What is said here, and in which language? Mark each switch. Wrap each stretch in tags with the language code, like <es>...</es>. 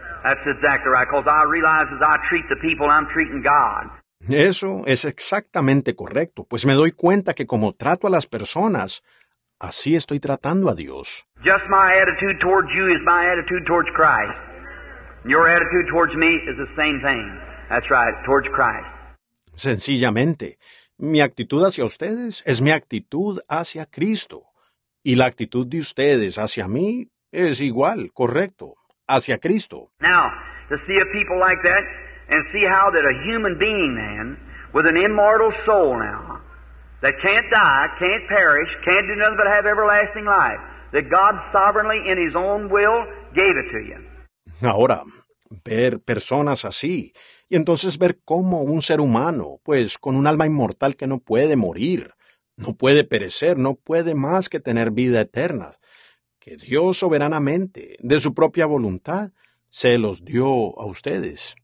<en>That's exactly right, because I realize as I treat the people, I'm treating God.</en> <es>Eso es exactamente correcto, pues me doy cuenta que como trato a las personas, así estoy tratando a Dios.</es> <en>Just my attitude towards you is my attitude towards Christ. Your attitude towards me is the same thing. That's right, towards Christ.</en> <es>Sencillamente, mi actitud hacia ustedes es mi actitud hacia Cristo, y la actitud de ustedes hacia mí es igual, correcto, hacia Cristo.</es> <en>Now, to see a people like that, and see how that a human being, man, with an immortal soul now, that can't die, can't perish, can't do nothing but have everlasting life, that God sovereignly, in His own will, gave it to you.</en> <es>Ahora, ver personas así, y entonces ver cómo un ser humano, pues, con un alma inmortal que no puede morir, no puede perecer, no puede más que tener vida eterna, que Dios soberanamente, de su propia voluntad, se los dio a ustedes.</es>